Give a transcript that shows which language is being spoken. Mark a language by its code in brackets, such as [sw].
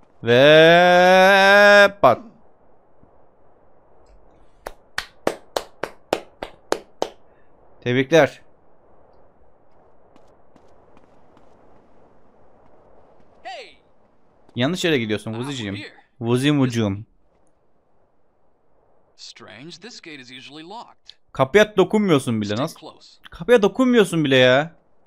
[tr] Ve pat. Tebrikler. Hey. Yanlış yere gidiyorsun Wuzi'cim. Wuzi'mucuğum. [en] Strange, this gate is usually locked. [tr] Kapıya dokunmuyorsun bile nasıl? Kapıya dokunmuyorsun bile ya.